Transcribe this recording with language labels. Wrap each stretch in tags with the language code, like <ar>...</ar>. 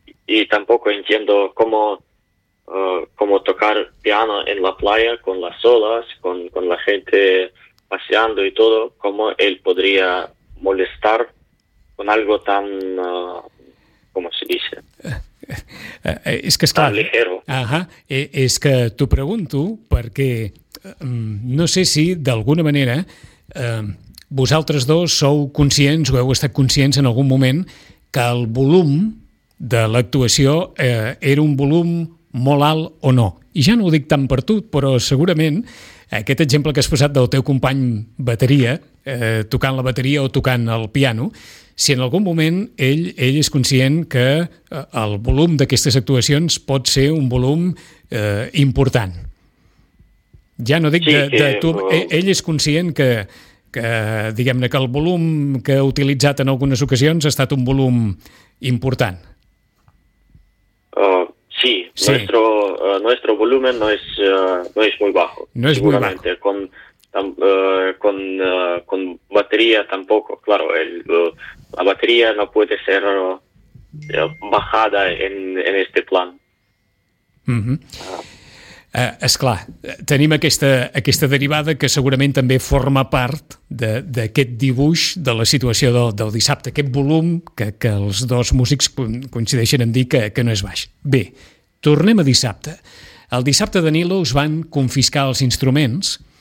<es>Y tampoco entiendo cómo tocar piano en la playa con las olas, con la gente paseando y todo, cómo él podría molestar con algo tan, ¿cómo se dice? Es que es tan ligero. Ajá.</es> <ca>Es que t'ho pregunto perquè no sé si d'alguna manera vosaltres dos sou conscients o heu estat conscients en algun moment que el volum de l'actuació era un volum molt alt o no. I ja no ho dic tant per tu, però segurament aquest exemple que has posat del teu company bateria, tocant la bateria o tocant el piano, si en algun moment ell és conscient que el volum d'aquestes actuacions pot ser un volum important. Ja no dic de tu, ell és conscient que diguem-ne que el volum que ha utilitzat en algunes ocasions ha estat un volum important.</ca> <es>Sí. Nuestro volumen no es muy bajo. No es seguramente. Muy bajo. Con batería tampoco, claro. La batería no puede ser bajada en este plan. Mm-hmm.</es> <ca>Esclar, tenim aquesta derivada que segurament també forma part d'aquest dibuix de la situació del dissabte, aquest volum que els dos músics coincideixen en dir que no és baix. Bé, tornem a dissabte. El dissabte, Danilo, us van confiscar els instruments</ca>